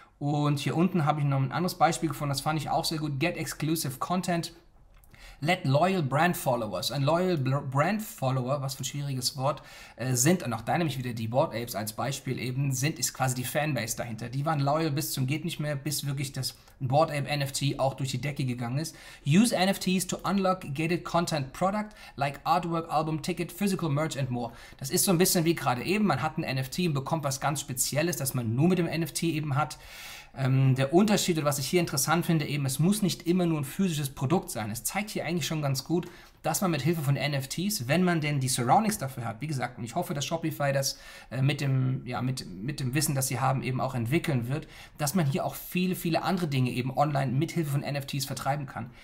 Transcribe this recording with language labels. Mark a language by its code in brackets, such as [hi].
[de] Und hier unten habe ich noch ein anderes Beispiel gefunden, das fand ich auch sehr gut, [en] Get Exclusive Content, Let Loyal Brand Followers, [de] ein Loyal Brand Follower, was für ein schwieriges Wort, sind, und auch da nämlich wieder die Bored Apes als Beispiel eben, ist quasi die Fanbase dahinter. Die waren loyal bis zum geht nicht mehr, bis wirklich das Bored Ape NFT auch durch die Decke gegangen ist. [en] Use NFTs to unlock gated content product like artwork, album, ticket, physical merch and more. [de] Das ist so ein bisschen wie gerade eben, man hat ein NFT und bekommt was ganz Spezielles, das man nur mit dem NFT eben hat. Der Unterschied, was ich hier interessant finde, eben, es muss nicht immer nur ein physisches Produkt sein. Es zeigt hier eigentlich schon ganz gut, dass man mit Hilfe von NFTs, wenn man denn die Surroundings dafür hat, wie gesagt, und ich hoffe, dass Shopify das mit dem Wissen, das sie haben, eben auch entwickeln wird, dass man hier auch viele, viele andere Dinge eben online mit Hilfe von NFTs vertreiben kann.